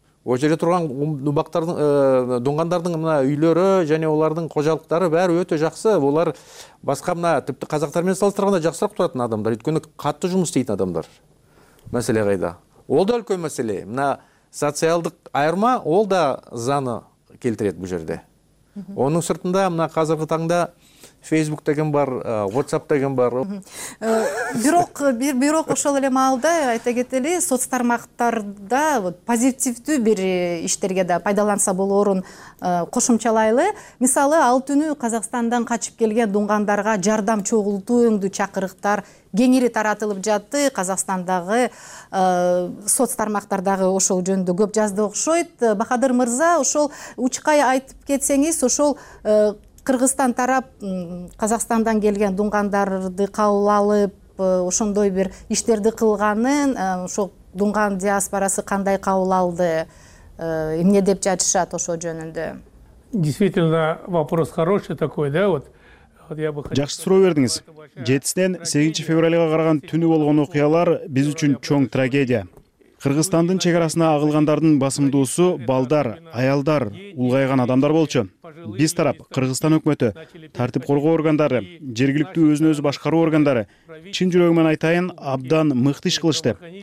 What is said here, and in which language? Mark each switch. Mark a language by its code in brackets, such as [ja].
[kk] Ол жерде тұрған дұңғандардың мына үйлері және олардың қожалықтары бәрі өте жақсы. Олар басқа мына тіпті қазақтармен салыстырғанда жақсырақ тұратын адамдар, өйткені қатты жұмыс істейтін адамдар. Мәселе қайда? Ол да үлкен мәселе. Мына социалдық айырма ол да заңы келтіреді бұл жерде. Оның сыртында мына қазіргі таңда Facebook деген бар, WhatsApp деген бар. [ky] Бирок бирок ошол эле маалда айта кетели, соцтармактарда позитивдүү бир иштерге да пайдаланса болорун кошумчалайлы. Мисалы, ал түнү Казакстандан качып келген дунгандарга жардам чогултууңду чакырыктар кеңири таратылып жатты. Казакстандагы соцтармактардагы ошол жөнүндө көп жазды окшойт. Бахадыр Мырза, ошол учкай айтып кетсеңиз, ошол Кыргызстан тарап Казакстандан келген дунгандарды кабыл алып, ошондой бир иштерди кылганын, ошо дунган диаспорасы кандай кабыл алды, эмне деп жатышат ошо жөнүндө? [ru] Действительно, вопрос хороший такой, да? [ky] Жакшы суроо бердиңиз. 7-сінен 8-чи февральга караган түнү болгон окуялар биз үчүн чоң трагедия. Кыргызстандын чек арасына агылгандардын басымдуусу балдар, аялдар, улгайган адамдар болчу. Биз тарап, Кыргызстан өкмөтү, тартип коргоо органдары, жергиликтүү өзүн-өзү башкаруу органдары чын жүрөгүм менен айтайын, абдан мыкты иш кылышты.